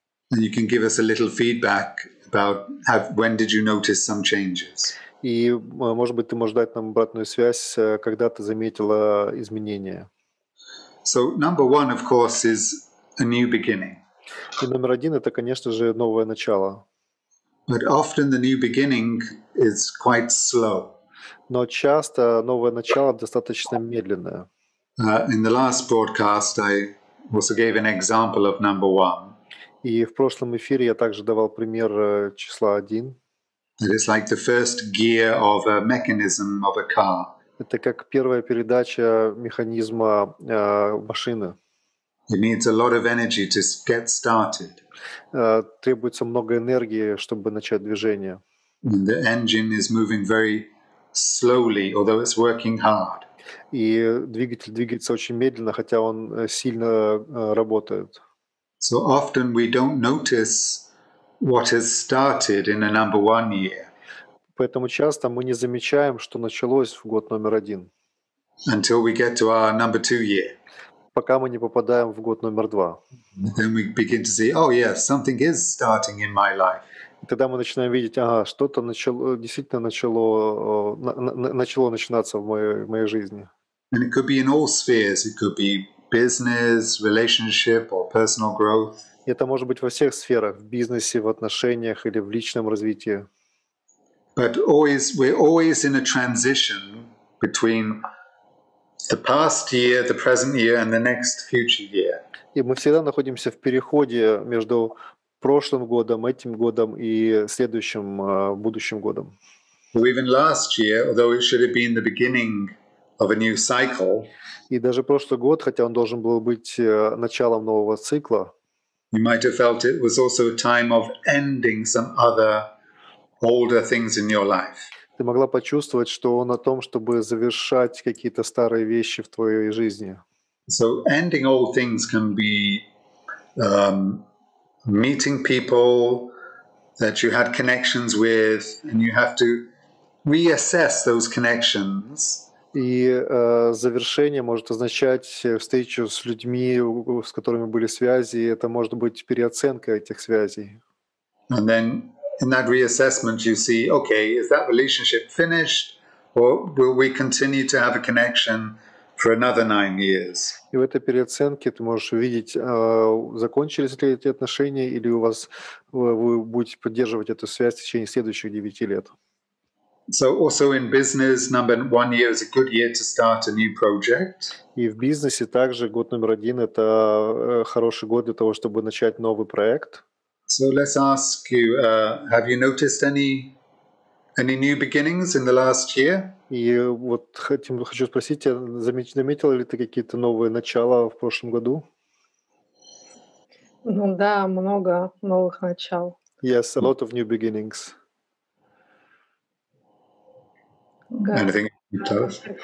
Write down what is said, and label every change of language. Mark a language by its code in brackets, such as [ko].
[en] And you can give us a little feedback about when did you notice some changes. [ru] И, может быть, ты можешь дать нам обратную связь, когда ты заметила изменения. [en] So number one, of course, is a new beginning. [ru] И номер один — это, конечно же, новое начало. [en] But often the new beginning is quite slow. [ru] Но часто новое начало достаточно медленное. [en] In the last broadcast I also gave an example of number one. [ru] И в прошлом эфире я также давал пример числа один. [en] It is like the first gear of a mechanism of a car. [ru] Это как первая передача механизма машины. [en] It needs a lot of energy to get started. [ru] Требуется много энергии, чтобы начать движение. [en] And the engine is moving very slowly, although it's working hard. [ru] И двигатель двигается очень медленно, хотя он сильно работает. [en] So often we don't notice what has started in a number one year. [ru] Поэтому часто мы не замечаем, что началось в год номер один. [en] Until we get to our number two year. [ru] Пока мы не попадаем в год номер два. [en] Then we begin to see, oh yes, something is starting in my life. [ru] тогда мы начинаем видеть, ага, что-то начало начинаться в моей жизни. [en] And it could be in all spheres. It could be business, relationship or personal growth. [ru] Это может быть во всех сферах, в бизнесе, в отношениях или в личном развитии. [en] But always, we're always in a transition between the past year, the present year, and the next future year. [ru] И мы всегда находимся в переходе между прошлым годом, этим годом и следующим, будущим годом. [en] Or even last year, although it should have been the beginning of a new cycle. [ru] И даже прошлый год, хотя он должен был быть началом нового цикла. [en] You might have felt it was also a time of ending some other older things in your life. [ru] Ты могла почувствовать, что он о том, чтобы завершать какие-то старые вещи в твоей жизни. [en] So ending old things can be meeting people that you had connections with, and you have to reassess those connections. [ru] И завершение может означать встречу с людьми, с которыми были связи. Это может быть переоценка этих связей. [en] And then in that reassessment, you see, okay, is that relationship finished, or will we continue to have a connection for another 9 years? [ru] И в этой переоценке ты можешь увидеть, закончились ли эти отношения, или у вас вы будете поддерживать эту связь в течение следующих 9 лет. [en] So also in business, number 1 year is a good year to start a new project. [ru] И в бизнесе также год номер один — это хороший год для того, чтобы начать новый проект. [en] So let's ask you, have you noticed any new beginnings in the last year? [ru] И вот хочу спросить, заметила ли ты какие-то новые начала в прошлом году? Ну да, много новых начал. [en] Yes, a lot of new beginnings. [ru] Да. [en] Anything you tell us?